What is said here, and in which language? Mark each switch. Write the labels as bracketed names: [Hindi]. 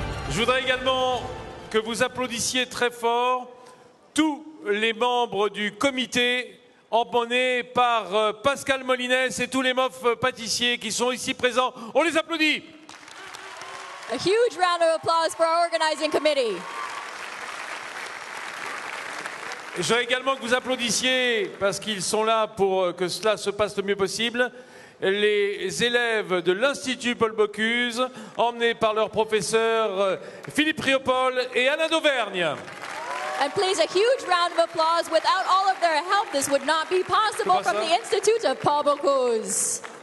[French] Je voudrais également que vous applaudissiez très fort tous les membres du comité emmenés par Pascal Molines et tous les mofs pâtissiers qui sont ici présents. On les applaudit. [English] A huge round of applause for our organizing committee. [French] Je voudrais également que vous applaudissiez, parce qu'ils sont là pour que cela se passe le mieux possible, les élèves de l'Institut Paul Bocuse, emmenés par leurs professeurs Philippe Riopol et Alain d'Auvergne. [English] And please, a huge round of applause. Without all of their help, this would not be possible from the Institute of Paul Bocuse.